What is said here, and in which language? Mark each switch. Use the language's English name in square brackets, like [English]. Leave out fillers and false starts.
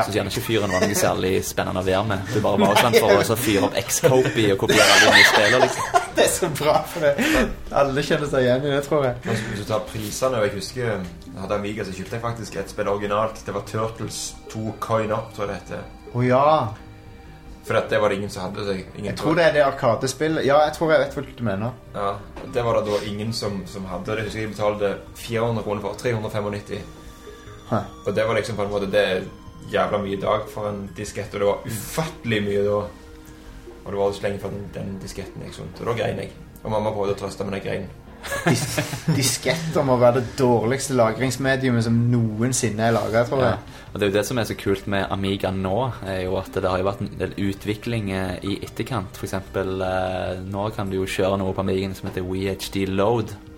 [Norwegian] Synes gjerne ikke fyren var noe særlig spennende å være med. Du bare var også en for å fyre opp X-Copy og kopiere alle dine spiller. Liksom. Det er så bra for det. Alle kjenner seg igjen i det, tror jeg. Hvis du tar priserne, jeg husker, jeg hadde Amiga, så kjøpte jeg faktisk et spill originalt. Det var Turtles 2 Coin Up, tror jeg det heter. Åja! [Swedish] För att det var det ingen som hade så ingen jag tror det är det arkadespel. Ja, jag tror jag vet vad du menar. Ja, det var det då ingen som hade det. Jag betalade 400 kronor för 395. Och det var liksom [Norwegian] på en måte [Swedish] det jävla mycket idag för en diskett och det var ufattligt mycket då. Och det var så länge för den disketten liksom. Då grein jag. [Norwegian] Och mamma prøvde å trøste med den grein. Disketter må være det dårligste lagringsmediumet som noensinne er laget, tror jeg. Ja. Og det er jo det som er så kult med Amiga nå, er jo at det har jo vært en del utvikling i etterkant. For eksempel, nå kan du jo kjøre noe på Amiga som heter WHD Load,